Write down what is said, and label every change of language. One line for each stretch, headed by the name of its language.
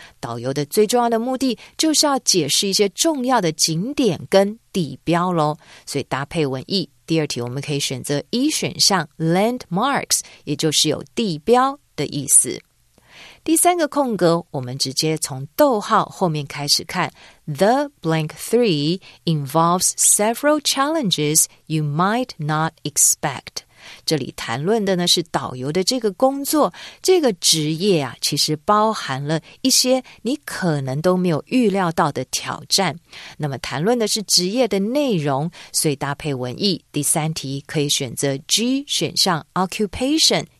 Chinese: 导游的最重要的目的就是要解释一些重要的景点跟地标咯。所以搭配文意，第二题我们可以选择一选项 landmarks, 也就是有地标的意思。第三个空格，我们直接从逗号后面开始看。
English: The blank three involves several challenges you might not expect.
Chinese: 这里谈论的呢是导游的这个工作，这个职业啊，其实包含了一些你可能都没有预料到的挑战。那么谈论的是职业的内容，所以搭配文意，第三题可以选择 G 选项 occupation。